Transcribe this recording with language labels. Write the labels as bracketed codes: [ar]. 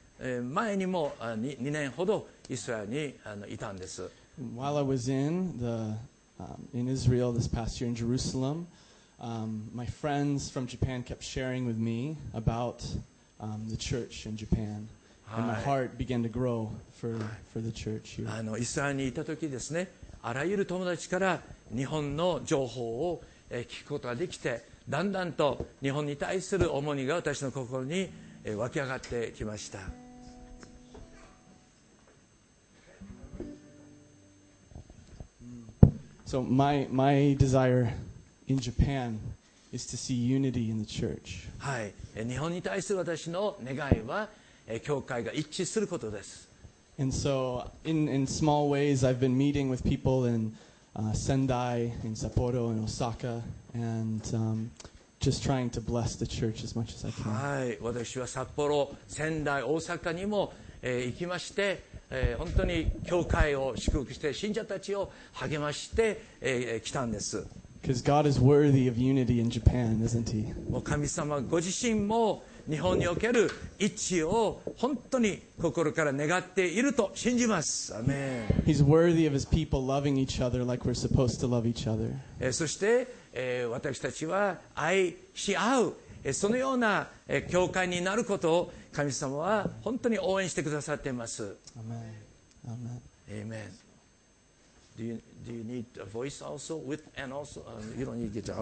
[ja] 前にも 2年ほどイスラエルにいたんです。 [en] While I was in Israel this past year in Jerusalem, my friends from Japan kept sharing with me about the church in Japan. And my heart began to grow for the church here. [ja] あのイスラエルにいた時ですね、あらゆる友達から日本の情報を聞くことができて、だんだんと日本に対する重荷が私の心に湧き上がってきました。 [en] So my desire in Japan is to see unity in the church. [ja] はい、日本に対する私の願いは教会が一致することです。 [en] And so, in small ways, I've been meeting with people in Sendai, in Sapporo, in Osaka, and just trying to bless the church as much as I can. [ja] はい、私は札幌、仙台、大阪にも、行きまして、本当に教会を祝福して信者たちを励まして、来たんです。 [en] Because God is worthy of unity in Japan, isn't He? [ja] もう神様ご自身も日本における一致を本当に心から願っていると信じます。アメン。 [en] He's worthy of his people loving each other like we're supposed to love each other. [ja] そして、私たちは愛し合う、そのような、教会になることを神様は本当に応援してくださっています。アメン。アメン。アメン。 [en] Do you need a voice also with and also you don't need guitar?